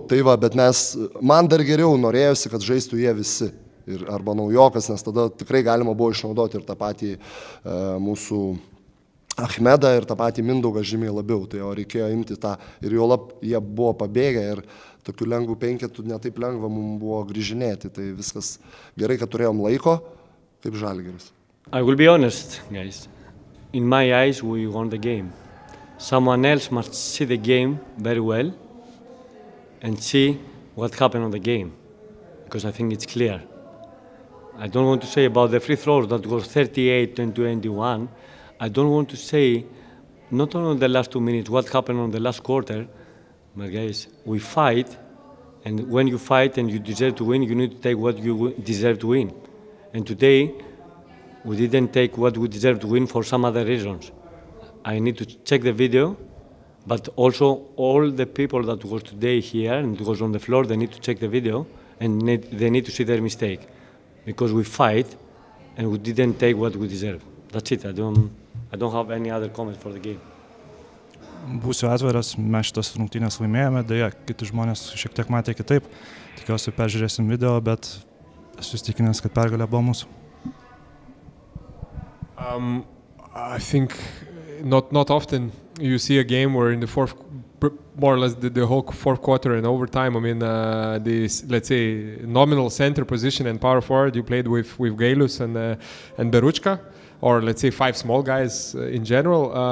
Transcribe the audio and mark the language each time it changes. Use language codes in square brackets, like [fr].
[lt] Tai va, bet mes, man dar geriau norėjosi, kad žaistų jie visi, ir, arba naujokas, nes tada tikrai galima buvo išnaudoti ir tą patį mūsų Achmedą ir tą patį Mindaugą žymiai labiau, tai jo reikėjo imti tą, ir jo lab, jie buvo pabėgę ir tokių lengvų penketų netaip lengva mums buvo grįžinėti, tai viskas gerai, kad turėjom laiko, kaip Žalgiris. [en] I will be honest, guys. In my eyes, we won the game. Someone else must see the game very well and see what happened on the game, because I think it's clear. I don't want to say about the free throws that was 38-21. I don't want to say, not only the last 2 minutes, what happened on the last quarter. But guys, we fight, and when you fight and you deserve to win, you need to take what you deserve to win. And today, we didn't take what we deserved to win for some other reasons. I need to check the video, but also all the people that was today here and was on the floor, they need to check the video and they need to see their mistake, because we fight and we didn't take what we deserve. That's it. I don't have any other comment for the game. [lt] Būsiu atviras, mes šitas rungtynės laimėjome, deja, kiti žmonės šiek tiek matė kitaip. Tikiuosi, peržiūrėsim video, bet esu įsitikinęs, kad pergalė buvo mūsų. [en] I think not often you see a game where in the fourth, more or less the whole fourth quarter and overtime, I mean, this, let's say, nominal center position and power forward, you played with Gailius and Beručka, or let's say five small guys in general.